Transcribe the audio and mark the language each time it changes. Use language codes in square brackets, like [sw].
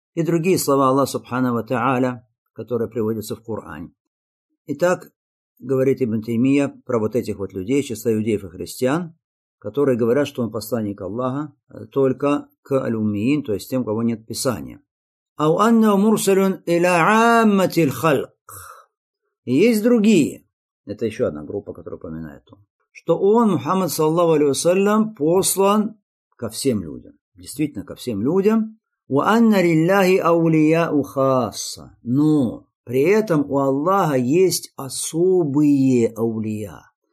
[ru] И другие слова Аллаха Субхана ва Тааля, которые приводятся в Коране. Итак, говорит Ибн Таймия про вот этих вот людей, числа иудеев и христиан, которые говорят, что он посланник Аллаха только к алюмиин, то есть тем, у кого нет Писания. [ar] أو أنه مرسل إلى عامة الخلق. [ru] Есть другие. Это еще одна группа, которая упоминает он. Что он, Мухаммад, саллаллаху алейхи ва саллям, послан ко всем людям. Действительно, ко всем людям. [ar] وَأَنَّ لِلَّهِ أَوْلِيَاءُ خَاصَ. [ru] Но при этом у Аллаха есть особые аулия.